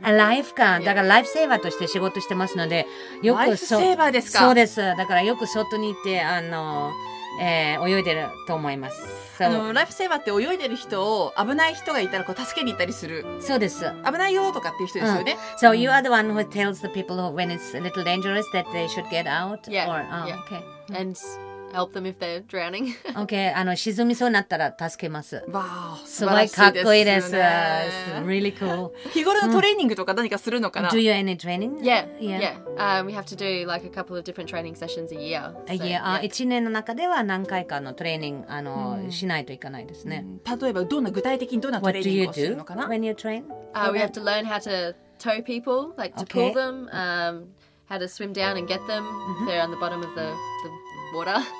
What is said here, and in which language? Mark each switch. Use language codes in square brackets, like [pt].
[en] A lifeguard. [ja] だから、ライフセーバーとして仕事してますので、よくそう。ライフセーバーですか？そうです。だから、よく外に行って、あの、泳いでると思います。 So, ライフセーバーって泳いでる人を危ない人がいたらこう助けに行ったりする。そうです。危ないよとかっていう人ですよね。 [en] So you are the one who tells the people when it's a little dangerous that they should get out? Yeah. Or, okay. And help them if they're drowning. [ja] Okay. あの、沈みそうになったら助けます。わあ、すごいかっこいいです。 [en] Really cool. [ja] 日頃のトレーニングとか何かするのかな？ [en] Do you any training? Yeah. We have to do like a couple of different training sessions a year. A year. [ja] 一年の中では何回かのトレーニング、あの、しないといかないですね。例えば、どんな、具体的にどんなトレーニングをするのかな？ [en] What do you do when you train? We have to learn how to tow people, like to pull them, how to swim down and get them if they're on the bottom of the water.